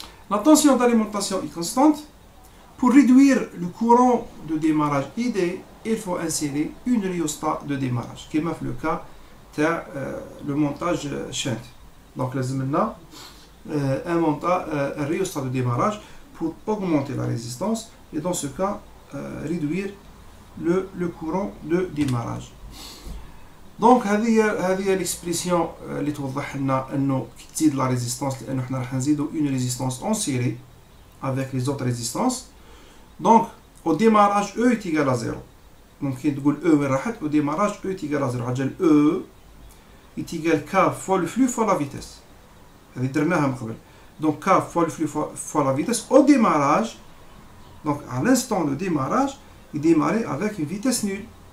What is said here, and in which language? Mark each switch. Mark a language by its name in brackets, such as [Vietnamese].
[French] La tension d'alimentation est constante. Pour réduire le courant de démarrage ID, il faut insérer une rheostat de démarrage, qui est le cas de le montage shunt. Donc, là, maintenant, un rheostat de démarrage pour augmenter la résistance, et dans ce cas, réduire le courant de démarrage. [Arabic] Donc, هذه l'expression اللي توضح لنا انه كي تزيد [French] لا ريزيستانس، [Arabic] لانه حنا راح نزيدو [French] اون ريزيستانس اون سيري avec les autres résistances. Donc, au démarrage E est égal à 0. Donc, [Arabic] كي تقول E وين راحت، [French] au démarrage E est égal à 0. [Arabic] عجل [French] E est égal K fois le flux fois la vitesse. [Arabic] هذه درناها من قبل. [French] Donc, K fois le flux fois la vitesse au démarrage. Donc, à l'instant de démarrage, il démarrait avec une vitesse nulle.